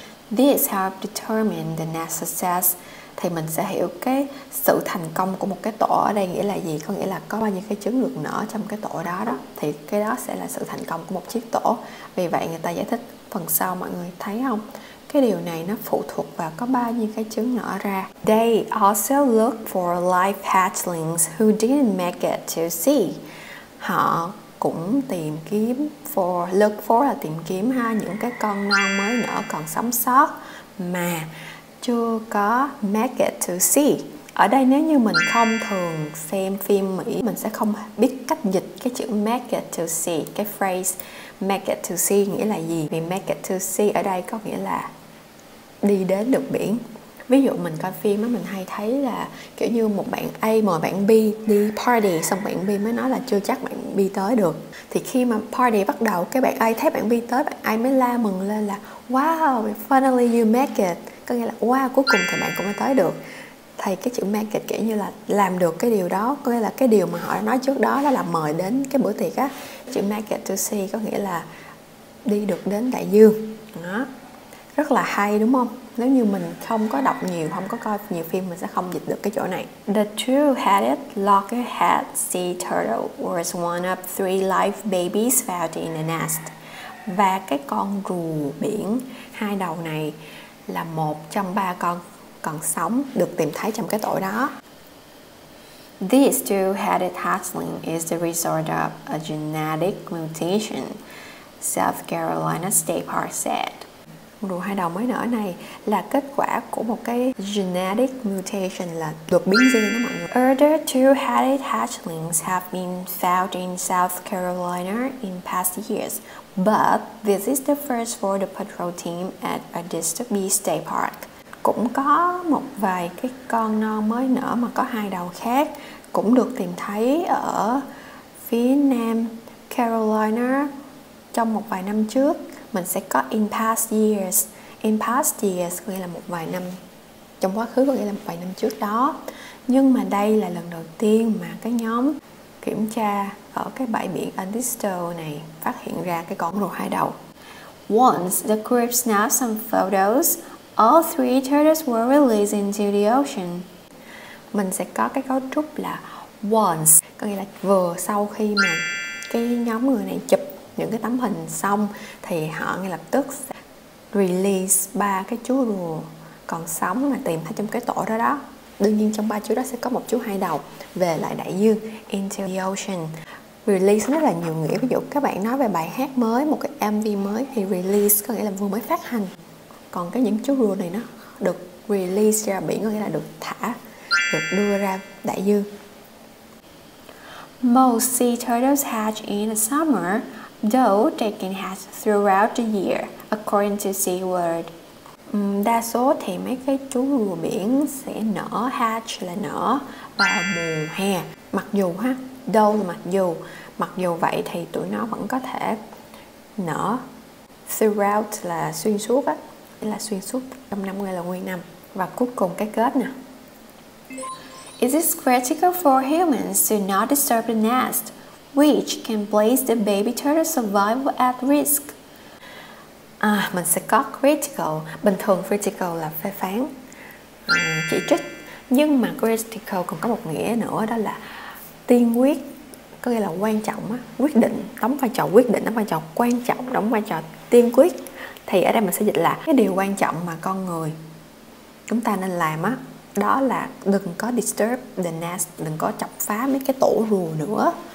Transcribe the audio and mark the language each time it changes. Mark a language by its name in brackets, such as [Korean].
[English] This have determined the net success. [Vietnamese] Thì mình sẽ hiểu cái sự thành công của một cái tổ ở đây nghĩa là gì. Có nghĩa là có bao nhiêu cái trứng được nở trong cái tổ đó đó, thì cái đó sẽ là sự thành công của một chiếc tổ. Vì vậy người ta giải thích phần sau, mọi người thấy không? Cái điều này nó phụ thuộc vào có bao nhiêu cái trứng nở ra. [English] They also look for live hatchlings who didn't make it to sea. [Vietnamese] Họ cũng tìm kiếm, look for là tìm kiếm ha, những cái con non mới nở còn sống sót mà chưa có make it to sea. Ở đây nếu như mình không thường xem phim Mỹ, mình sẽ không biết cách dịch cái chữ make it to sea. Cái phrase make it to sea nghĩa là gì? Vì make it to sea ở đây có nghĩa là đi đến được biển. Ví dụ mình coi phim á, mình hay thấy là kiểu như một bạn A mời bạn B đi party, xong bạn B mới nói là chưa chắc bạn B tới được. Thì khi mà party bắt đầu, cái bạn A thấy bạn B tới, bạn A mới la mừng lên là wow, [English] finally you make it. [Vietnamese] Có nghĩa là wow, cuối cùng thì bạn cũng mới tới được. Thì cái chữ make it kiểu như là làm được cái điều đó, có nghĩa là cái điều mà họ nói trước đó là mời đến cái bữa tiệc á. Chữ make it to sea có nghĩa là đi được đến đại dương. Đó, rất là hay đúng không? Nếu như mình không có đọc nhiều, không có coi nhiều phim, mình sẽ không dịch được cái chỗ này. [English] The two-headed loggerhead sea turtle was one of three live babies found in the nest. [Vietnamese] Và cái con rùa biển hai đầu này là một trong ba con còn sống được tìm thấy trong cái tổ đó. [English] This two-headed hatchling is the result of a genetic mutation, South Carolina State Park said. [Vietnamese] Rùa hai đầu mới nở này là kết quả của một cái genetic mutation, là đột biến gen đó mọi người. [English] Other two-headed hatchlings have been found in South Carolina in past years, but this is the first for the patrol team at a disturbed state park. [Vietnamese] Cũng có một vài cái con non mới nở mà có hai đầu khác cũng được tìm thấy ở phía Nam Carolina trong một vài năm trước. Mình sẽ có in past years. In past years có nghĩa là một vài năm trong quá khứ, có nghĩa là một vài năm trước đó. Nhưng mà đây là lần đầu tiên mà cái nhóm kiểm tra ở cái bãi biển Anisto này phát hiện ra cái con rùa hai đầu. [English] Once the group snapped some photos, all three turtles were released into the ocean. [Vietnamese] Mình sẽ có cái cấu trúc là once, có nghĩa là vừa sau khi mà cái nhóm người này chụp những cái tấm hình xong, thì họ ngay lập tức release ba cái chú rùa còn sống mà tìm thấy trong cái tổ đó đó. Đương nhiên trong ba chú đó sẽ có một chú hai đầu về lại đại dương, [English] into the ocean. [Vietnamese] Release rất là nhiều nghĩa. Ví dụ các bạn nói về bài hát mới, một cái MV mới, thì release có nghĩa là vừa mới phát hành. Còn cái những chú rùa này nó được release ra biển, có nghĩa là được thả, được đưa ra đại dương. [English] Most sea turtles hatch in the summer, though they can hatch throughout the year, according to SeaWorld. [Vietnamese] Đa số thì mấy cái chú rùa biển sẽ nở, hatch là nở vào mùa hè. Mặc dù ha, though là mặc dù vậy thì tụi nó vẫn có thể nở. Throughout là xuyên suốt á, là xuyên suốt trong năm, là nguyên năm. Và cuối cùng cái kết nè. [English] Is it critical for humans to not disturb the nest, which can place the baby turtle survival at risk? [Vietnamese] À, mình sẽ có critical. Bình thường critical là phê phán, chỉ trích. Nhưng mà critical còn có một nghĩa nữa, đó là tiên quyết, có nghĩa là quan trọng á, quyết định, đóng vai trò quyết định, đóng vai trò quan trọng, đóng vai trò tiên quyết. Thì ở đây mình sẽ dịch là cái điều quan trọng mà con người chúng ta nên làm á, đó là đừng có [English] disturb the nest, [Vietnamese] đừng có chọc phá mấy cái tổ rùa nữa.